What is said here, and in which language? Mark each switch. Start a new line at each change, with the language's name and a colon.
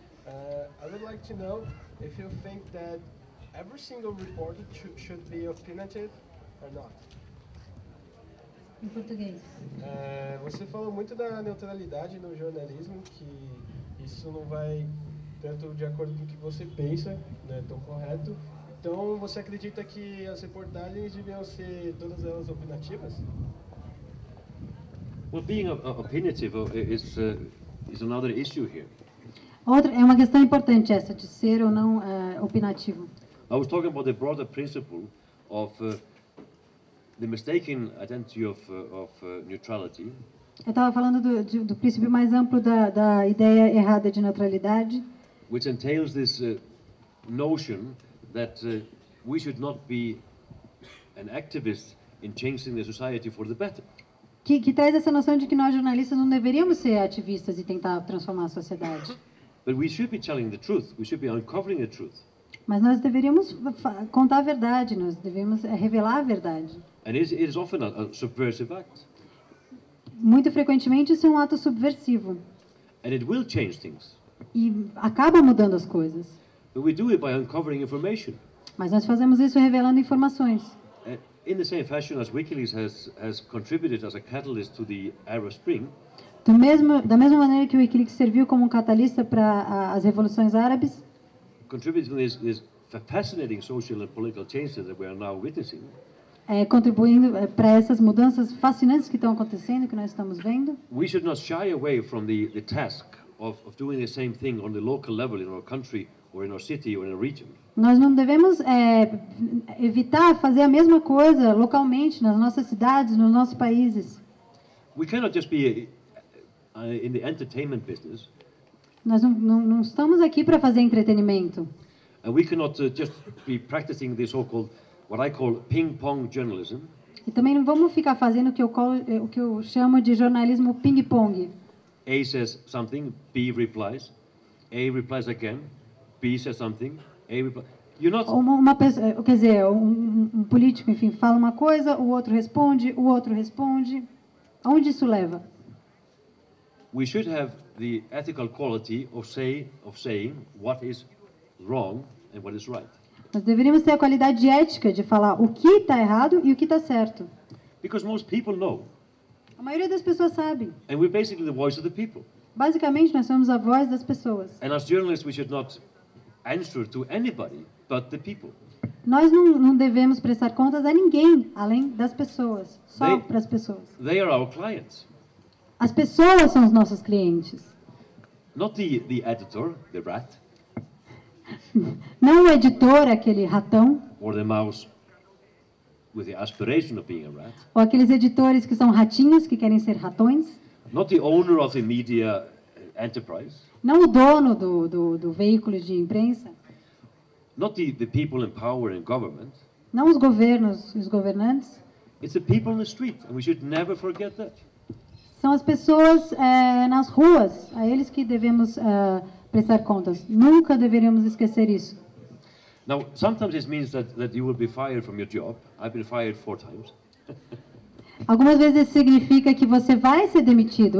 English: I would like to know if you think that every single reporter should be opinionative or not.
Portuguese: Em português. Você falou muito da neutralidade no jornalismo, que isso não vai tanto de acordo com o que você pensa, não é tão correto. Então, você acredita que as reportagens deviam ser todas elas opinativas?
English: Well, being opinionative is another issue here.
Portuguese: Outra é uma questão importante essa de ser ou não opinativo.
English: I was talking about the broader principle of the mistaken identity of neutrality.
Portuguese: Eu estava falando do princípio mais amplo da ideia errada de neutralidade.
English: Which entails this notion that we should not be an activist in changing the society for the better.
Portuguese: Que traz essa noção de que nós jornalistas não deveríamos ser ativistas e tentar transformar a sociedade.
English: But we should be telling the truth. We should be uncovering the truth.
Portuguese: Mas nós deveríamos contar a verdade. Nós devemos revelar a verdade.
English: And it is often a subversive act.
Portuguese: Muito frequentemente isso é um ato subversivo.
English: And it will change things.
Portuguese: E acaba mudando as coisas.
English: But we do it by uncovering information.
Portuguese: Mas nós fazemos isso revelando informações.
English: In the same fashion as WikiLeaks has contributed as a catalyst to the Arab Spring.
Portuguese: Da mesma maneira que o WikiLeaks serviu como um catalista para as revoluções árabes.
English: Contributing to this fascinating social and political changes that we are now witnessing.
Portuguese: Contribuindo para essas mudanças fascinantes que estão acontecendo que nós estamos vendo.
English: We should not shy away from the task of doing the same thing on the local level in our country or in our city or in a region.
Portuguese: Nós não devemos evitar fazer a mesma coisa localmente, nas nossas cidades, nos nossos países.
English: We cannot just be in the entertainment business.
Portuguese: Nós não estamos aqui para fazer entretenimento.
English: And we cannot just be practicing this so-called, what I call, ping-pong journalism.
Portuguese: E também não vamos ficar fazendo o que eu chamo de jornalismo ping-pong.
English: A says something, B replies. A replies again, B says something, A replies. You're not.
Portuguese: Uma pessoa, quer dizer, um político, enfim, fala uma coisa, o outro responde. Aonde isso leva?
English: We should have the ethical quality of saying what is wrong and what is right.
Portuguese: Nós deveríamos ter a qualidade ética de falar o que está errado e o que está certo.
English: Because most people know.
Portuguese: A maioria das pessoas sabe.
English: And we're basically the voice of the people.
Portuguese: Basicamente, nós somos a voz das pessoas.
English: And as journalists, we should not answer to anybody but the people.
Portuguese: Nós não devemos prestar contas a ninguém além das pessoas, só para as pessoas.
English: They are our clients.
Portuguese: As pessoas são os nossos clientes.
English: Not the editor, the rat.
Portuguese: Não o editor, aquele ratão.
English: Or the mouse with the aspiration of being a rat.
Portuguese: Ou aqueles editores que são ratinhos, que querem ser ratões.
English: Not the owner of the media enterprise.
Portuguese: Não o dono do veículo de imprensa.
English: Not the people in power and government.
Portuguese: Não os governos, os governantes.
English: It's the people in the street, and we should never forget that.
Portuguese: São as pessoas nas ruas, a eles que devemos prestar contas. Nunca deveríamos esquecer isso.
English: Now, sometimes this means that you will be fired from your job. I've been fired 4 times.
Portuguese: Algumas vezes isso significa que você vai ser demitido.